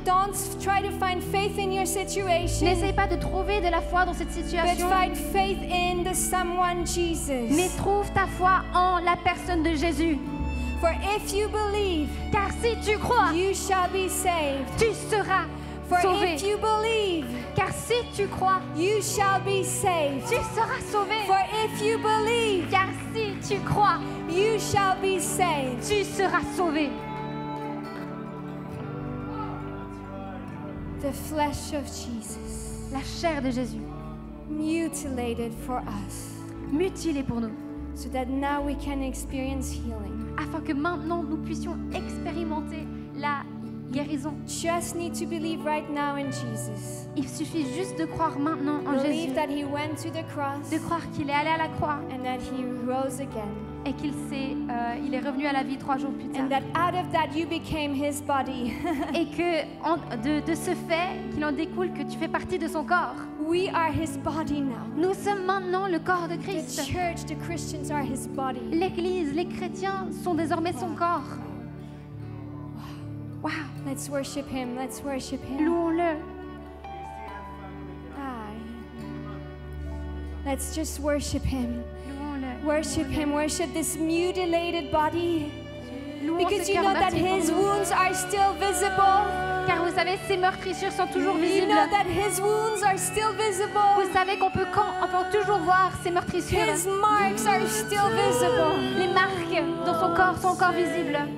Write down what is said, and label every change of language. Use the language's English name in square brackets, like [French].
[English] Don't try to find faith in your situation. [French] N'essaie pas de trouver de la foi dans cette situation. [English] But find faith in the someone Jesus. [French] Mais trouve ta foi en la personne de Jésus. [English] For if you believe, [French] car si tu crois, [English] you shall be saved. [French] Tu seras [English] For [French] sauvé. [English] For if you believe, [French] car si tu crois, [English] you shall be saved. [French] Tu seras sauvé. [English] For if you believe, [French] car si tu crois, [English] you shall be saved. [French] Tu seras sauvé. [English] The flesh of Jesus, [French] la chair de Jésus, [English] mutilated for us, [French] mutilée pour nous, [English] so that now we can experience healing. [French] Afin que maintenant nous puissions expérimenter la guérison. [English] Just need to believe right now in Jesus. [French] Il suffit juste de croire maintenant en [English] believe [French] Jésus. [English] That he went to the cross, [French] de croire qu'il est allé à la croix. [English] And that he rose again. [French] Et qu'il s'est, il est revenu à la vie trois jours plus tard. [English] And that out of that you became his body. [French] Et que en, de ce fait, qu'il en découle que tu fais partie de son corps. [English] We are his body now. [French] Nous sommes maintenant le corps de Christ. [English] The church, the Christians are his body. [French] L'église, les chrétiens sont désormais son corps. [English] Wow. Let's worship him. Let's worship him. [French] Louons-le. [English] Let's just worship him. Worship him. Worship this mutilated body. Because you know that his wounds are still visible. [French] Car vous savez, ses meurtrissures sont toujours visibles. [English] You know that his wounds are still visible. [French] Vous savez qu'on peut encore toujours voir ses meurtrissures. [English] His marks are still visible. [French] Les marques dans son corps sont encore visibles.